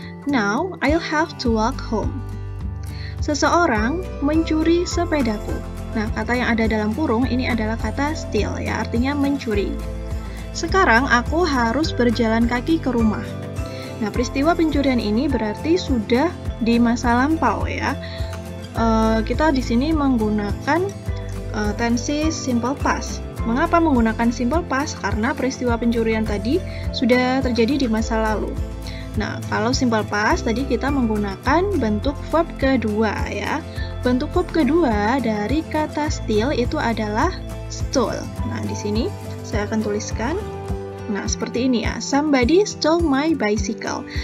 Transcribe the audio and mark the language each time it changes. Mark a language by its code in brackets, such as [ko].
[en] Now I'll have to walk home. [id] Seseorang mencuri sepedaku. Nah, kata yang ada dalam kurung ini adalah kata steal ya, artinya mencuri. Sekarang aku harus berjalan kaki ke rumah. Nah, peristiwa pencurian ini berarti sudah di masa lampau ya. Kita di sini menggunakan tenses simple past. Mengapa menggunakan simple past? Karena peristiwa pencurian tadi sudah terjadi di masa lalu. Nah, kalau simple past tadi kita menggunakan bentuk verb kedua ya. Bentuk verb kedua dari kata steal itu adalah stole. Nah, di sini saya akan tuliskan. Nah, seperti ini ya. [en] Somebody stole my bicycle.